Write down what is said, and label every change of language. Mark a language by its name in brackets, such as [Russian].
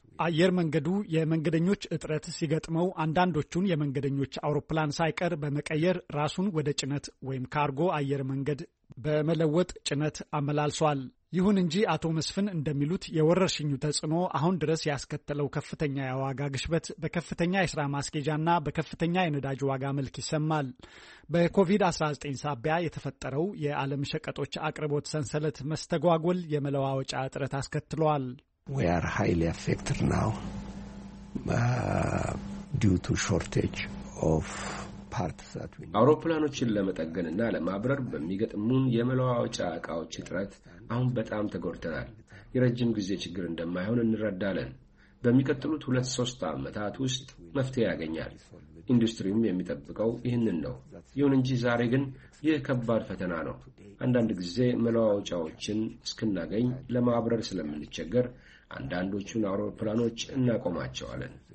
[Amharic] አየር መንገዱ የመንገደኞች እጥረት ሲገጥመው አንዳንዶቹን የመንገደኞች አውሮፕላን ሳይቀር በመቀየር ራሱን ወደ ጭነት ወይም ካርጎ አየር መንገድ በመለወጥ ጭነት አመላልሷል። ይሁን እንጂ አቶ መስፍን እንደሚሉት የወረርሽኙ ተጽዕኖ አሁን ድረስ ያስከተለው ከፍተኛ የዋጋ ግሽበት በከፍተኛ የስራ ማስኬጃና በከፍተኛ የነዳጅ ዋጋ መልክ ይሰማል። በኮቪድ-19 ሳቢያ የተፈጠረው የዓለም ሸቀጦች አቅርቦት ሰንሰለት መስተጓጎል የመለዋወጫ እጥረት አስከትሏል። [English] We are highly affected now due to shortage of parts that we need. [Amharic] አውሮፕላኖችን ለመጠገንና ለማብረር በሚገጥሙን የመለዋወጫ እቃዎች እጥረት አሁን በጣም ተጎድተናል። የረጅም ጊዜ ችግር እንደማይሆን እንረዳለን። በሚቀጥሉት 2-3 ዓመታት ውስጥ መፍትሄ ያገኛል። ኢንዱስትሪውም የሚጠብቀው ይህንን ነው። ይሁን እንጂ ዛሬ ግን ይህ ከባድ ፈተና ነው። አንዳንድ ጊዜ መለዋወጫዎችን እስክናገኝ ለማብረር ስለምንቸገር አንዳንዶቹን አውሮፕላኖች እናቆማቸዋለን።